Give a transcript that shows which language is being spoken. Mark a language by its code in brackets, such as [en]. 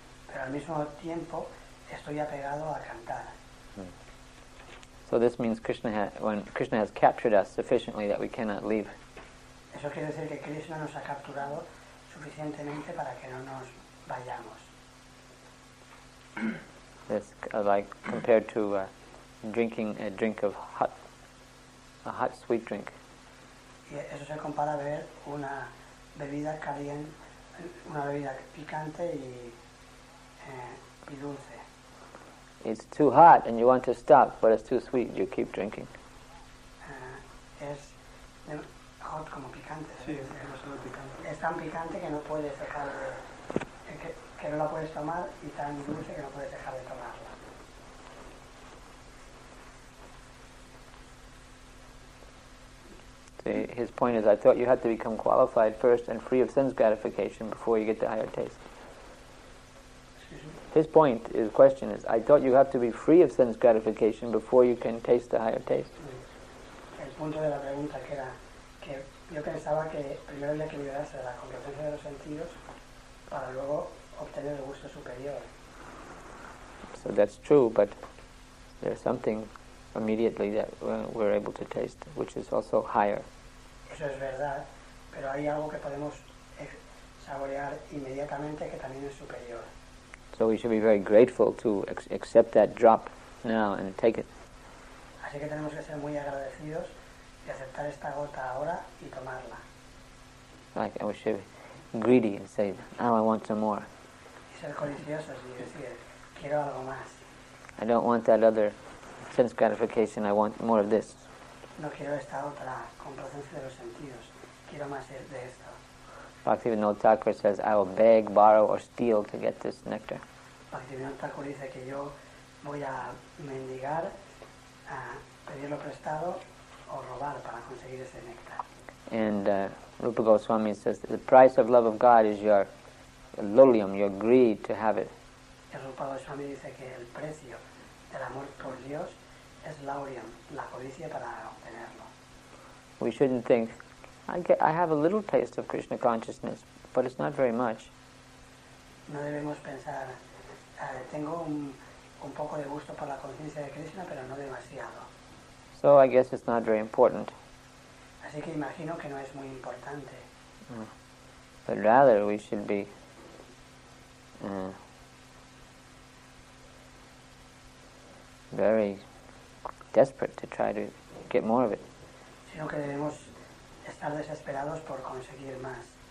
[es] Pero al mismo tiempo estoy apegado a cantar. [en] So this means when Krishna has captured us sufficiently that we cannot leave. [es] Eso quiere decir que Krishna nos ha capturado suficientemente para que no nos vayamos. [en] This like compared to drinking a drink of a hot sweet drink. [es] Y eso se compara a ver una bebida caliente, una bebida picante y dulce. [en] It's too hot and you want to stop, but it's too sweet, you keep drinking. [es] Es hot como picante. Sí, es muy picante. Es tan picante que no puedes dejar de, que no la puedes tomar, y tan dulce que no puedes dejar de tomarla. [en] His point is, I thought you had to become qualified first and free of sense gratification before you get the higher taste. His point, his question is, I thought you have to be free of sense gratification before you can taste the higher taste. [es] El punto de la pregunta que era que yo pensaba que primero había que liberarse de la complacencia de los sentidos para luego obtener el gusto superior. [en] So that's true, but there's something immediately that we're able to taste, which is also higher. [es] Eso es verdad, pero hay algo que podemos saborear inmediatamente que también es superior. [en] So we should be very grateful to accept that drop now and take it. [es] Así que tenemos que ser muy agradecidos y aceptar esta gota ahora y tomarla. [en] Like we should be greedy and say, "Now I want some more." [es] Y ser codiciosos y decir, quiero algo más. [en] I don't want that other sense gratification, I want more of this. [es] No quiero esta otra complacencia de los sentidos. Quiero más de esto. [en] Bhaktivinoda Thakur says, I will beg, borrow, or steal to get this nectar. [es] Bhaktivinoda Thakur dice que yo voy a mendigar, pedirlo prestado, o robar para conseguir ese néctar. [en] And Rupa Goswami says that the price of love of God is your lulium, your greed to have it. [es] Rupa Goswami dice que el precio del amor por Dios es laurium, la codicia para obtenerlo. [en] We shouldn't think, I have a little taste of Krishna consciousness, but it's not very much. [es] No debemos pensar, tengo un poco de gusto por la conciencia de Krishna, pero no demasiado. [en] So I guess it's not very important. [es] Así que imagino que no es muy importante. [en] But rather we should be very desperate to try to get more of it. [es] Sino que debemos estar desesperados por conseguir más.